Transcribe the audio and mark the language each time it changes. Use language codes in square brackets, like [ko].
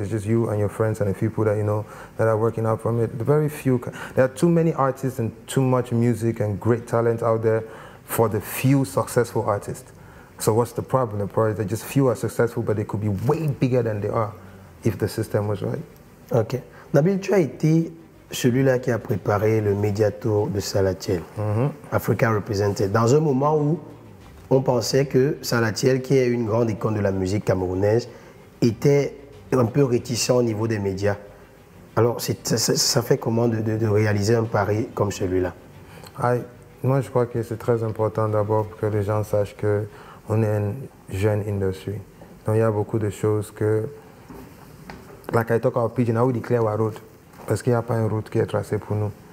[en] It's just you and your friends and a few people that you know that are working out from it. The very few. There are too many artists and too much music and great talent out there for the few successful artists. So what's the problem? The problem is that just few are successful, but they could be way bigger than they are if the system was right. Okay. [fr] NABIL, tu as été celui-là qui a préparé le média tour de Salatiel, mm-hmm, [en] Africa represented, [fr] dans un moment où on pensait que Salatiel, qui est une grande icône de la musique camerounaise, était un peu réticent au niveau des médias. Alors, ça fait comment de réaliser un pari comme celui-là? Moi, je crois que c'est très important d'abord que les gens sachent qu'on est une jeune industrie. Donc, il y a beaucoup de choses que... [en] Like I talk about pigeon, I would declare our route. [fr] Parce qu'il n'y a pas une route qui est tracée pour nous.